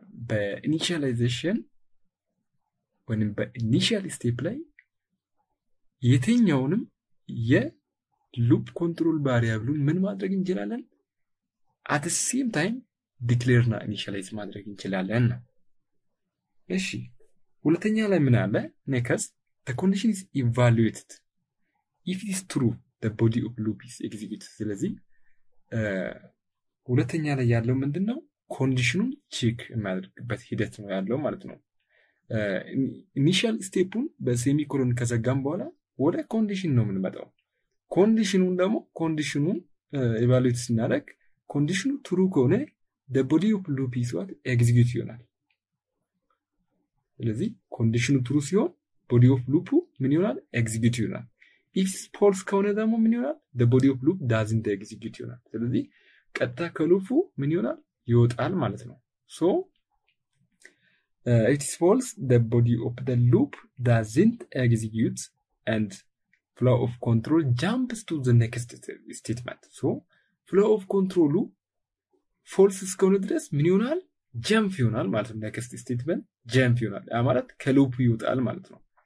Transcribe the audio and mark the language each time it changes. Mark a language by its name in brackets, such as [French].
[Amharic] በinitialization ወይም በinitial step ላይ የትኛውንም የloop control variable ምን ማድረግ እንችላለን [English] at the same time declare [Amharic] na initialize ማድረግ እንችላለን። እሺ ሁለተኛ ላይ ምን አለ? [English] next the condition is evaluated if it is true the body of loop is executed. [Amharic] ስለዚህ ሁለተኛ ላይ ያለው ምንድነው? ኮንዲሽኑን ቼክ ማድረግበት ሂደት ነው ያለው ማለት ነው። initial stepን በsemicolon ከዘጋን በኋላ ወደ condition ነው የምንመጣው። ኮንዲሽኑን ደግሞ ኮንዲሽኑን evaluate ስናደርግ condition true ከሆነ [English] the body of loop is what [Amharic] execute ይሆናል። ስለዚህ condition true ሲሆን body of loop ምን ይሆናል? [English] execute ይሆናል። if false [Amharic] ከሆነ ደግሞ ምን ይሆናል? [English] the body of loop doesn't execute ይሆናል። ስለዚህ [Amharic] ቀጥታ ከሉፉ ምን ይሆናል ይወጣል ማለት ነው [English] so it is false the body of the loop doesn't execute and flow of control jumps to the next statement so flow of control false is going to address ምን ይሆናል jump ይሆናል ማለት ነው next statement jump ይሆናል [Amharic] ያ ማለት ከሉፕ ይወጣል ማለት ነው